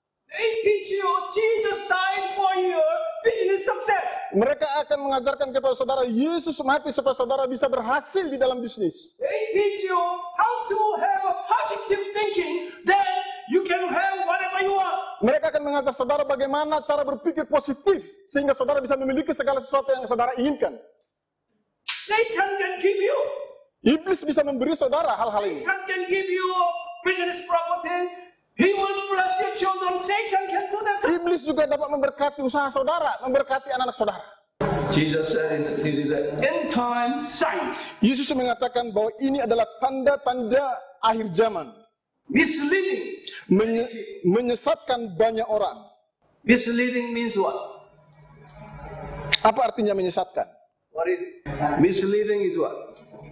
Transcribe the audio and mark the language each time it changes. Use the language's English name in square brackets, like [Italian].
[English] They teach you Jesus died for your business success. [Indonesian] Mereka akan mengajarkan kepada saudara Yesus mati supaya saudara bisa berhasil di dalam bisnis. [English] They teach you how to have a positive thinking, then you can have whatever you want. [Indonesian] Mereka akan mengajar saudara bagaimana cara berpikir positif sehingga saudara bisa memiliki segala sesuatu yang saudara inginkan. [English] Satan can give you. [Indonesian] Iblis bisa memberi saudara hal-hal ini. [English] Satan can give you business property. He will bless your children. Satan can do that. [Indonesian] Iblis juga dapat memberkati usaha saudara, memberkati anak-anak saudara. [English] Jesus said this is an end time sign. [Indonesian] Yesus mengatakan bahwa ini adalah tanda-tanda akhir zaman. [English] Misleading. [Indonesian] Menyesatkan banyak orang. [English] Misleading means what? [Indonesian] Apa artinya menyesatkan? [English] What is misleading is what?